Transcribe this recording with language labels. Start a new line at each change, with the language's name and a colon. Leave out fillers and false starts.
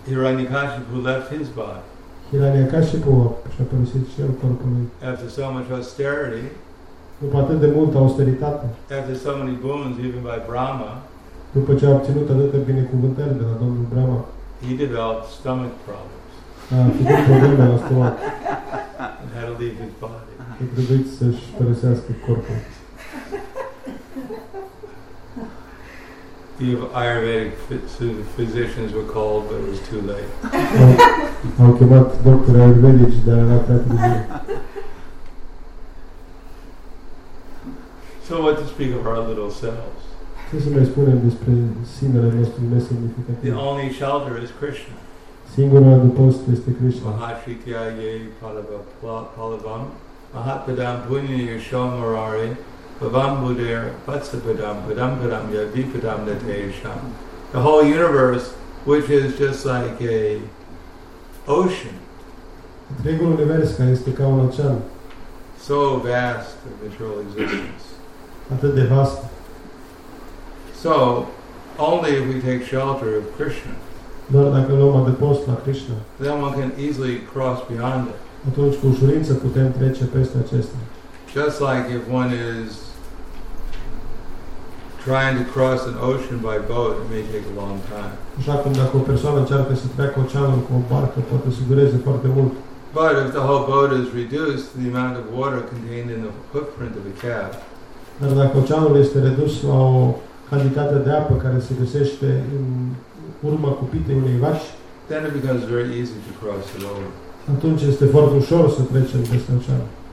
English: Hiranyakashipu left his body.
Romanian: Hiranyakashipu și-a părăsit și el corpul lui.
English: After so much austerity,
Romanian: după atât de multă austeritate,
English: after so many boons even by Brahma,
Romanian: după ce a obținut atâtea binecuvântări de la Domnul Brahma,
English: he developed stomach problems.
Romanian: A făcut probleme la stomac.
English: And had to leave his body.
Romanian: A trebuit să-și părăsească corpul.
English: the Ayurvedic physicians were called, but it was too late.
Romanian: Au chemat doctor ayurvedic, dar era prea târziu.
English: So what to speak of our little selves?
Romanian: Ce să mai spunem despre sinele nostru nesemnificative?
English: The only shelter is Krishna.
Romanian: Singurul adăpost este Krishna.
Sanskrit: Mahashitya ye palavam. Mahapadam punya yashomarari. Bhavambudir vatsapadam padampadam yadipadam nateyasham.
English: The whole universe, which is just like a ocean.
Romanian: Întregul univers care este ca un ocean.
English: So vast of material existence.
Romanian: Atât de vast.
English: So, only if we take shelter of Krishna.
Romanian: Doar dacă luăm adăpost la Krishna.
English: Then one can easily cross beyond it.
Romanian: Atunci cu ușurință putem trece peste acesta.
English: Just like if one is trying to cross an ocean by boat, it may take a long time.
Romanian: Așa cum dacă o persoană încearcă să treacă oceanul cu o barcă, poate să dureze foarte mult.
English: But if the whole boat is reduced, the amount of water contained in the footprint of a cab.
Romanian: Dar dacă oceanul este redus la o cantitate de apă care se găsește în urma cupitei unei vași,
English: then it becomes very easy to cross it over.
Romanian: Atunci este foarte ușor să trecem peste ocean.